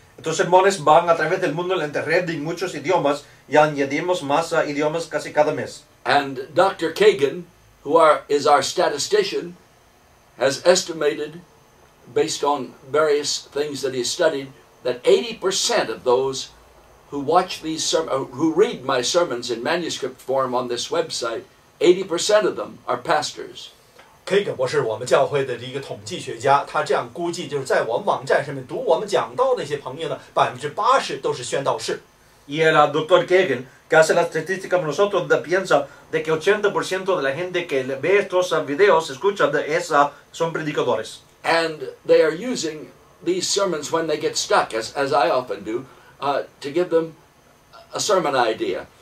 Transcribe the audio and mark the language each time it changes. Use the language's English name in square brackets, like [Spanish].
[Spanish] Entonces sermones van a través del mundo en la internet en muchos idiomas y añadimos más idiomas casi cada mes. [English] And Dr. Kagan, who is our statistician, has estimated, based on various things that he studied, that 80% of those who watch these who read my sermons in manuscript form on this website, 80% of them are pastors. [Chinese] Kagan 博士，我们教会的一个统计学家，他这样估计，就是在我们网站上面读我们讲道的那些朋友呢， 80% 都是宣道士。 [Spanish] Y el doctor Kagan, que hace la estadística con nosotros, piensa de que 80% de la gente que ve estos videos, escucha de esa, son predicadores. [English] And they are using these sermons when they get stuck, as I often do, to give them a sermon idea.